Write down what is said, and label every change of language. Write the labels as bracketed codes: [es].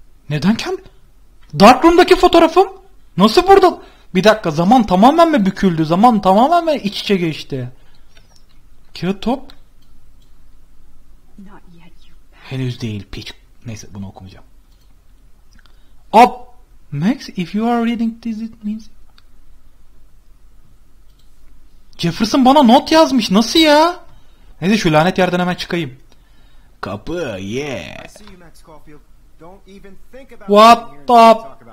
[tr] Neden kamp? Dark Room'daki fotoğrafım? Nasıl burada? Bir dakika, zaman tamamen mi büküldü? Zaman tamamen mi iç içe geçti? Kağıt top? Henüz değil piç. Neyse, bunu okumayacağım. [en] Up! Max, if you are reading this, it means... [tr] Jefferson bana not yazmış. Nasıl ya? Neyse, şu lanet yerden hemen çıkayım. Kapı, yeah. [en] Don't even think about what the...